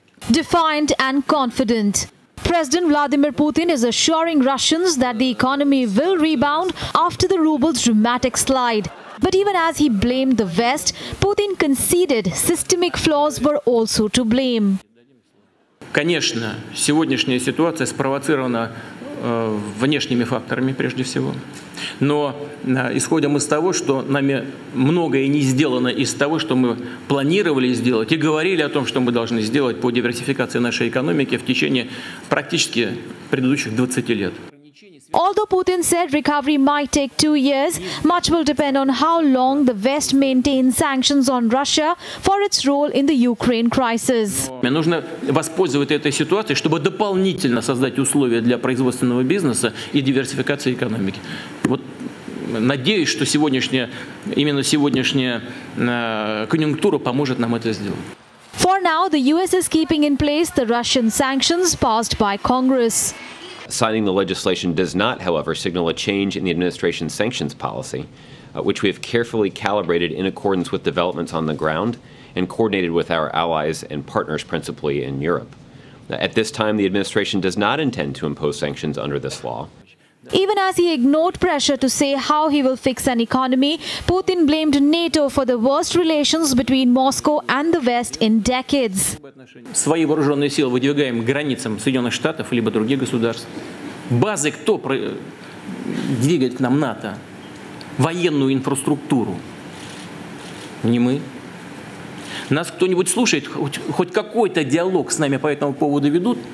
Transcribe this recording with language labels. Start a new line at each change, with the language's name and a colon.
English: Defiant and confident, President Vladimir Putin is assuring Russians that the economy will rebound after the ruble's dramatic slide. But even as he blamed the West, Putin conceded systemic flaws were also to blame.
Russian: Конечно, сегодняшняя ситуация спровоцирована внешними факторами прежде всего. Но исходим из того, что нами многое не сделано из того, что мы планировали сделать и говорили о том, что мы должны сделать по диверсификации нашей экономики в течение практически предыдущих 20 лет.
English: Although Putin said recovery might take 2 years, much will depend on how long the West maintains sanctions on Russia for its role in the Ukraine crisis.
Russian: Мне нужно воспользоваться этой ситуацией, чтобы дополнительно создать условия для производственного бизнеса и диверсификации экономики. Вот надеюсь, что именно сегодняшняя конъюнктура поможет нам это сделать.
English: For now, the US is keeping in place the Russian sanctions passed by Congress. Signing the legislation does not, however, signal a change in the administration's sanctions policy, which we have carefully calibrated in accordance with developments on the ground and coordinated with our allies and partners, principally in Europe. At this time, the administration does not intend to impose sanctions under this law. Even as he ignored pressure to say how he will fix an economy, Putin blamed NATO for the worst relations between Moscow and the West in decades.
Russian: Свои вооруженные силы выдвигаем к границам Соединенных Штатов либо других государств. Базы кто двигает к нам НАТО? Военную инфраструктуру. Не мы. Нас кто-нибудь слушает, хоть какой-то диалог с нами по этому поводу ведут?